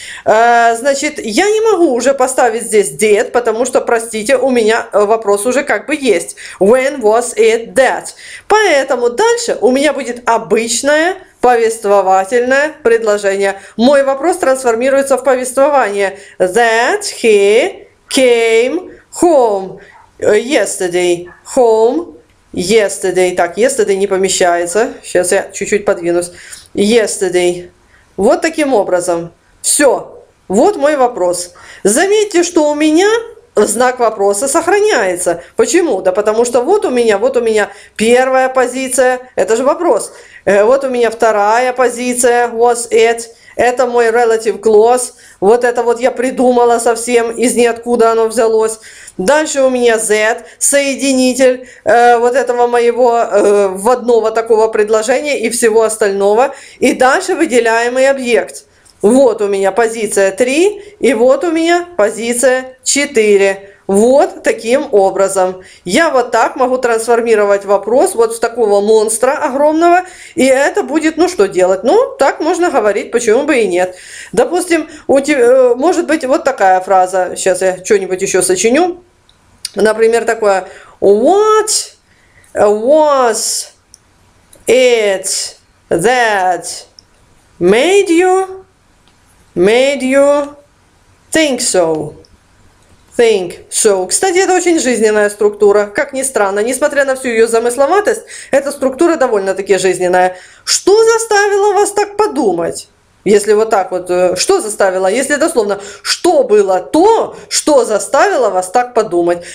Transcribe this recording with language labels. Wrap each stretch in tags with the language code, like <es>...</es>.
<ru>Значит, я не могу уже поставить здесь did, потому что, простите, у меня вопрос уже как бы есть.</ru> <en>When was it that?</en> <ru>Поэтому дальше у меня будет обычное повествовательное предложение. Мой вопрос трансформируется в повествование.</ru> <en>That he came home yesterday. Home yesterday.</en> <ru>Так, yesterday не помещается. Сейчас я чуть-чуть подвинусь. Yesterday. Вот таким образом. Все. Вот мой вопрос. Заметьте, что у меня знак вопроса сохраняется. Почему? Да потому что вот у меня первая позиция. Это же вопрос. Вот у меня вторая позиция.</ru> <en>Was it?</en> <ru>Это мой relative clause. Вот это вот я придумала совсем, из ниоткуда оно взялось. Дальше у меня Z, соединитель вот этого моего вводного такого предложения и всего остального. И дальше выделяемый объект. Вот у меня позиция 3, и вот у меня позиция 4. Вот таким образом. Я вот так могу трансформировать вопрос вот в такого монстра огромного. И это будет, ну что делать? Ну, так можно говорить, почему бы и нет. Допустим, может быть вот такая фраза. Сейчас я что-нибудь еще сочиню. Например, такое.</ru> <en>What was it that made you think so? Think so.</en> <ru>Кстати, это очень жизненная структура. Как ни странно, несмотря на всю ее замысловатость, эта структура довольно-таки жизненная. Что заставило вас так подумать? Если вот так вот, что заставило? Если дословно, что было то, что заставило вас так подумать?</ru>